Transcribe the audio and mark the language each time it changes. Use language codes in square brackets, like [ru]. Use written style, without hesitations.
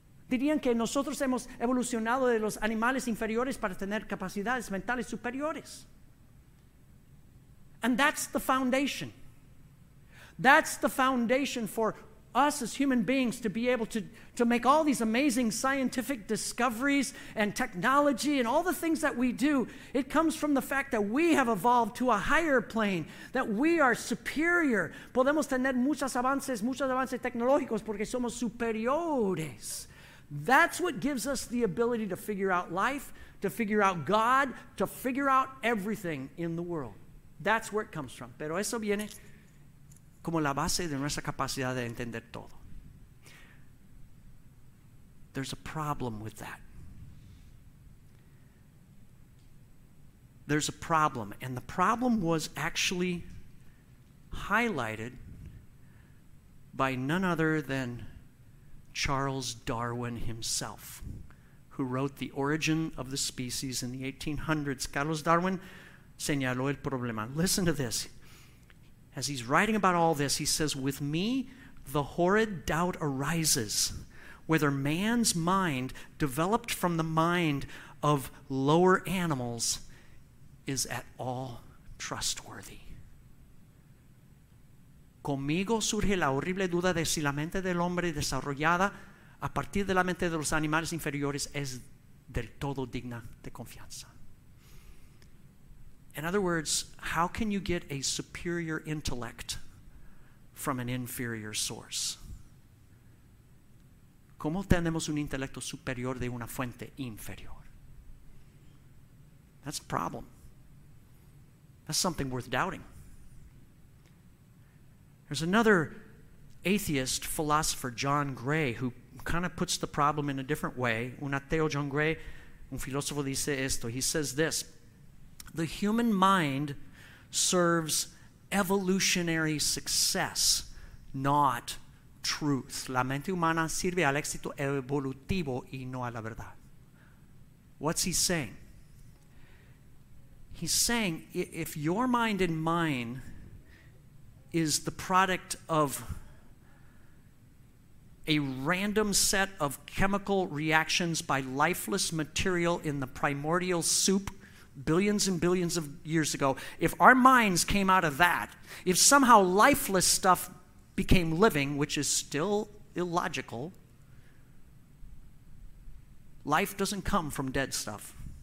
[es] Dirían que nosotros hemos evolucionado de los animales inferiores para tener capacidades mentales superiores. [en] And that's the foundation. That's the foundation for us as human beings to be able to make all these amazing scientific discoveries and technology and all the things that we do. It comes from the fact that we have evolved to a higher plane, that we are superior. [es] Podemos tener muchos avances tecnológicos porque somos superiores. [en] That's what gives us the ability to figure out life, to figure out God, to figure out everything in the world. That's where it comes from. [es] Pero eso viene como la base de nuestra capacidad de entender todo. [en] There's a problem with that. There's a problem. And the problem was actually highlighted by none other than Charles Darwin himself, who wrote The Origin of the Species in the 1800s. [es] Carlos Darwin señaló el problema. [en] Listen to this. As he's writing about all this, he says, "With me, the horrid doubt arises whether man's mind, developed from the mind of lower animals, is at all trustworthy." [es] Conmigo surge la horrible duda de si la mente del hombre desarrollada a partir de la mente de los animales inferiores es del todo digna de confianza. [en] In other words, how can you get a superior intellect from an inferior source? [es] ¿Cómo tenemos un intelecto superior de una fuente inferior? [en] That's a problem. That's something worth doubting. There's another atheist philosopher, John Gray, who kind of puts the problem in a different way. [es] Un ateo, John Gray, un filósofo, dice esto. [en] He says this: "The human mind serves evolutionary success, not truth." [es] La mente humana sirve al éxito evolutivo y no a la verdad. [en] What's he saying? He's saying, if your mind and mine is the product of a random set of chemical reactions by lifeless material in the primordial soup billions and billions of years ago, if our minds came out of that, if somehow lifeless stuff became living, which is still illogical, life doesn't come from dead stuff.